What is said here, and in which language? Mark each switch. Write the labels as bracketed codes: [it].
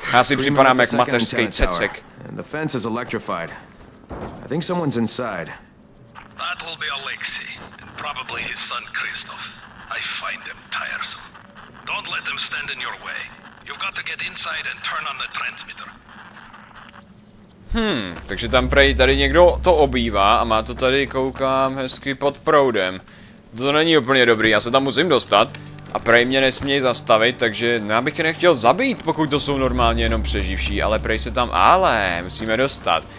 [cs] Já si připadám jak mateřský cecek. [en] The fence is electrified. I think someone's inside. That will be Alexei, and probably his son Christoph. I find them tiresome. Don't let them stand in your way. You've got to get inside and turn on the transmitter. [cs] Takže tam prej tady někdo to obývá a má to tady, koukám, hezky pod proudem. To není úplně dobrý, já se tam musím dostat. A prej mě nesmějí zastavit, takže no, já bych je nechtěl zabít, pokud to jsou normálně jenom přeživší, ale prej se tam, ale musíme dostat.